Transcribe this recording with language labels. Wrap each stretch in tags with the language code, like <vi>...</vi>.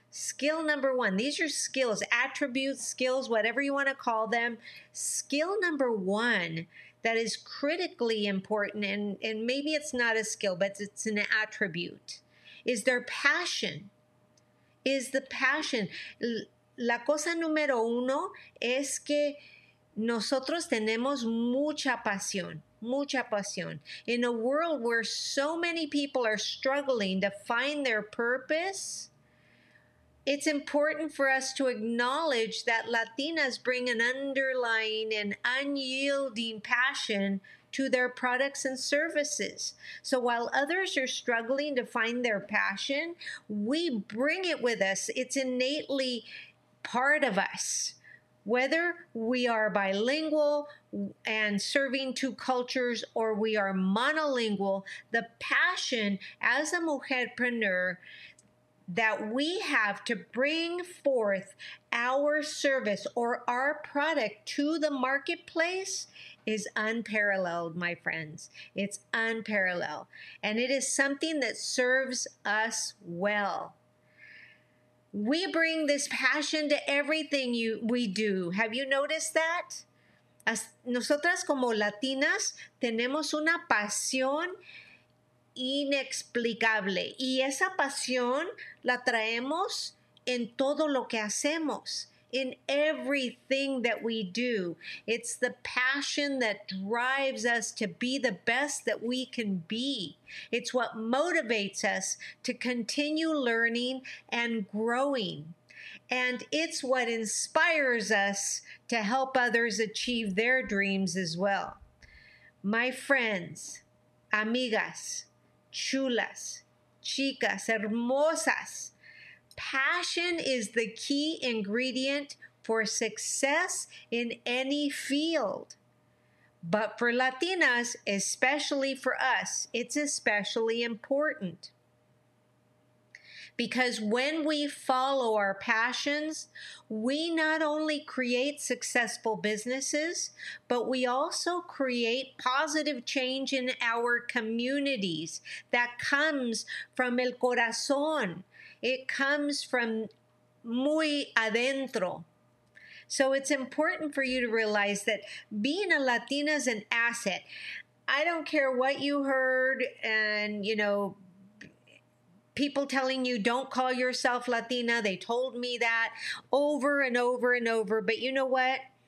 <en>Skill number one. These are skills, attributes, skills, whatever you want to call them. Skill number one that is critically important, and maybe it's not a skill, but it's an attribute, is their passion. Is the passion.</en> <es>La cosa número uno es que nosotros tenemos mucha pasión. Mucha pasión.</es> <en>In a world where so many people are struggling to find their purpose, it's important for us to acknowledge that Latinas bring an underlying and unyielding passion to their products and services. So while others are struggling to find their passion, we bring it with us. It's innately part of us. Whether we are bilingual and serving two cultures or we are monolingual, the passion as a mujerpreneur that we have to bring forth our service or our product to the marketplace is unparalleled, my friends. It's unparalleled. And it is something that serves us well. We bring this passion to everything we do. Have you noticed that?</en> <es>Nosotras como Latinas tenemos una pasión inexplicable. Y esa pasión la traemos en todo lo que hacemos.</es> <en>In everything that we do. It's the passion that drives us to be the best that we can be. It's what motivates us to continue learning and growing. And it's what inspires us to help others achieve their dreams as well. My friends,</en> <es>amigas, chulas, chicas, hermosas,</es> <en>passion is the key ingredient for success in any field. But for Latinas, especially for us, it's especially important. Because when we follow our passions, we not only create successful businesses, but we also create positive change in our communities that comes from</en> <es>el corazón.</es> <en>It comes from</en> <es>muy adentro.</es> <en>So it's important for you to realize that being a Latina is an asset. I don't care what you heard and, you know, people telling you don't call yourself Latina. They told me that over and over and over. But you know what?</en>